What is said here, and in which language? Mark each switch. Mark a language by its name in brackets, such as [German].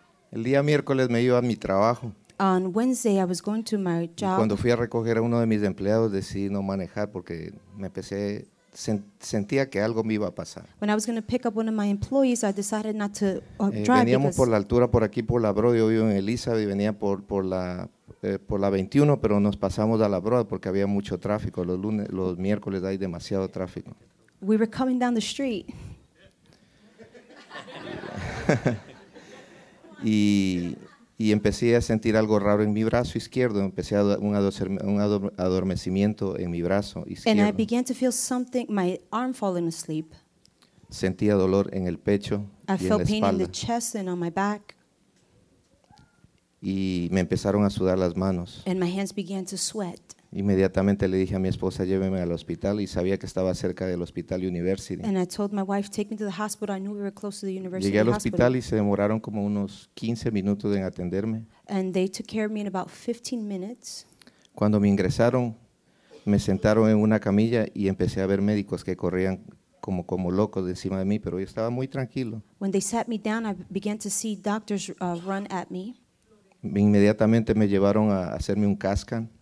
[Spanish] El día miércoles me iba a mi trabajo. [English] On Wednesday I was going to my job. [Spanish] Y cuando fui a recoger a uno de mis empleados decidí no manejar porque sentía que algo me iba a pasar. [English] When I was going to pick up one of my employees I decided not to drive. [Spanish] Veníamos por la altura por aquí por la Broad, yo vivo en Elizabeth y venía por la 21, pero nos pasamos a la Broad porque había mucho tráfico los lunes, los miércoles hay demasiado tráfico. [English] We were coming down the street. [Spanish] Y empecé a sentir algo raro en mi brazo izquierdo. Empecé a un adormecimiento en mi brazo izquierdo. [English] And I began to feel something, my arm falling asleep. [Spanish] Sentía dolor en el pecho y en la espalda. [English] I felt pain in the chest and on my back. [Spanish] Y me empezaron a sudar las manos. [English] And my hands began to sweat. [Spanish] Inmediatamente le dije a mi esposa, lléveme al hospital, y sabía que estaba cerca del hospital University. [English] And I told my wife, take me to the hospital. I knew we were close to the University. [Spanish] Llegué al hospital y se demoraron como unos 15 minutos en atenderme. [English] And they took care of me in about 15 minutes. [Spanish] Cuando me ingresaron, me sentaron en una camilla y empecé a ver médicos que corrían como locos de encima de mí, pero yo estaba muy tranquilo. [English] When they sat me down, I began to see doctors run at me. [Spanish] Inmediatamente me llevaron a hacerme un CAT scan.